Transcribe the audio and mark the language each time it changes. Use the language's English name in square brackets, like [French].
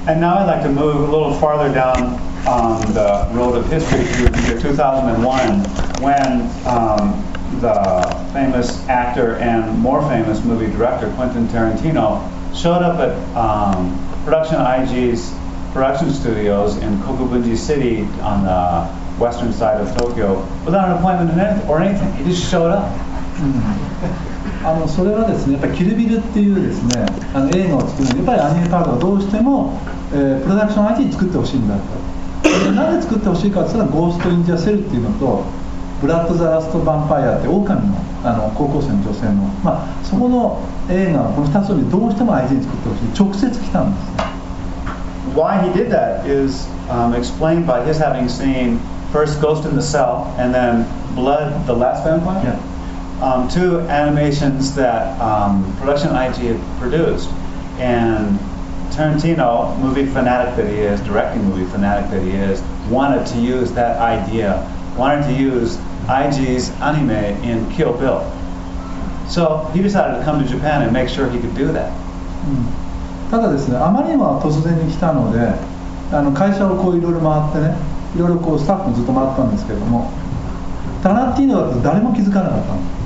[English] And now I'd like to move a little farther down on the road of history to the year 2001, when the famous actor and more famous movie director Quentin Tarantino showed up at Production IG's production studios in Kokubunji City on the western side of Tokyo without an appointment or anything. He just showed up. [Japanese] それはですね、やっぱキルビルっていうですね、映画を作るのに、やっぱりアニメカードはどうしても、プロダクション IG に作ってほしいんだと。なんで作ってほしいかって言ったら、ゴースト・イン・ザ・セルっていうのと、ブラッド・ザ・ラスト・ヴァンパイアって、オオカミの、高校生の女性の、まあ、そこの映画をこの2つにどうしても IG に作ってほしい、直接来たんです。 [English] Why he did that is explained by his having seen first Ghost in the Cell and then Blood, the Last Vampire?、 Yeah. Two animations that Production IG had produced, and Tarantino, movie fanatic that he is, directing movie fanatic that he is, wanted to use that idea, wanted to use IG's anime in Kill Bill. So he decided to come to Japan and make sure he could do that. [Japanese] ただですね、あまりにも突然に来たので、会社をこういろいろ回ってね、いろいろこうスタッフもずっと回ったんですけども、タランティーノだと誰も気づかなかったの。